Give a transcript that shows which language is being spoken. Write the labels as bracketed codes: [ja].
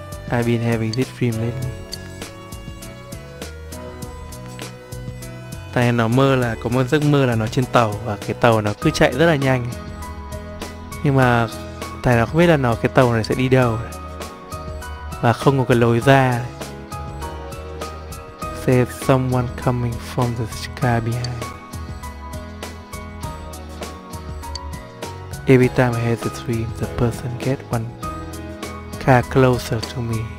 [en] I've been having this dream lately. [vi] Thằng này nó mơ là, có một giấc mơ là nó trên tàu và cái tàu nó cứ chạy rất là nhanh. Nhưng mà thằng này không biết là nó cái tàu này sẽ đi đâu. Và không có cái lối ra. [en] There's someone coming from the sky behind. Every time I have a dream, the person get one car closer to me.